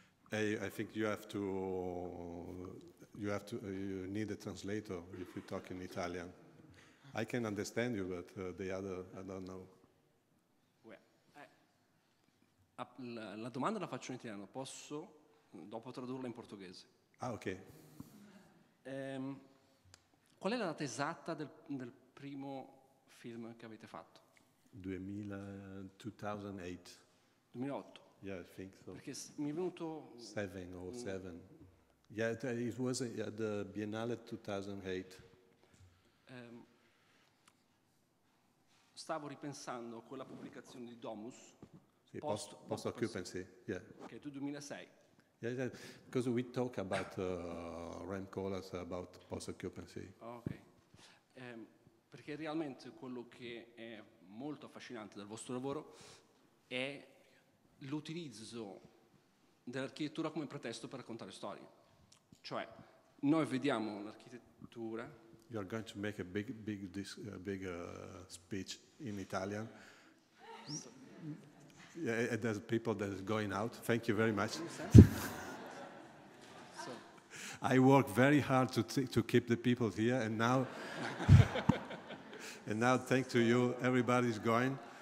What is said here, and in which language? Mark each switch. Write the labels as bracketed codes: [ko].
[en] Yeah. I think you have to. You need a translator if you talk in Italian. I can understand you, but the other, I don't know. [it] La domanda la faccio in italiano, posso dopo tradurla in portoghese? Ah, ok. Qual è la data esatta del primo film che avete fatto? [en] 2008. Yeah, I think so. [it] Perché mi è venuto... [en] Seven. Yeah, it was at the Biennale 2008. [it] Stavo ripensando a quella pubblicazione di Domus, [en] sì, post occupancy, yeah. [it] Che è del 2006. [en] Yeah, yeah, because we talk about Rem Koolhaas about post occupancy. [it] Ok, perché realmente quello che è molto affascinante dal vostro lavoro è l'utilizzo dell'architettura come pretesto per raccontare storie. Cioè, noi vediamo l'architettura. [en] You are going to make a big speech in Italian. Yeah, and there's people that are going out. Thank you very much. So. I work very hard to keep the people here, and now thanks to you, everybody's going.